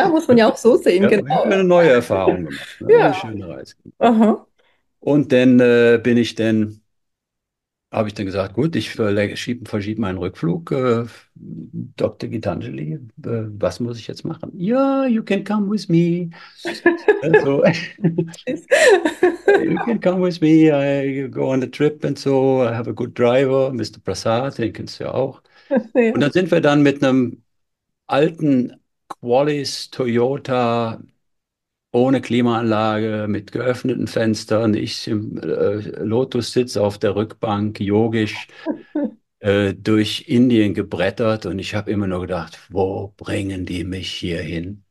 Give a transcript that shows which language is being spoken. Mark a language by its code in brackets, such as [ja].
[de] muss man ja auch so sehen, Ja, genau. ich habe eine neue Erfahrung gemacht. Eine Ja. schöne Reise. Aha. Und dann habe ich dann gesagt, gut, ich verschiebe meinen Rückflug. Dr. Gitanjali, was muss ich jetzt machen? [en] Ja, you can come with me. Also, you can come with me, I go on a trip and so, I have a good driver, Mr. [de] Prasad, den kennst du ja auch. Und Ja. dann sind wir dann mit einem alten Qualis Toyota ohne Klimaanlage, mit geöffneten Fenstern, ich im Lotus-Sitz auf der Rückbank, yogisch, durch Indien gebrettert und ich habe immer nur gedacht, wo bringen die mich hier hin?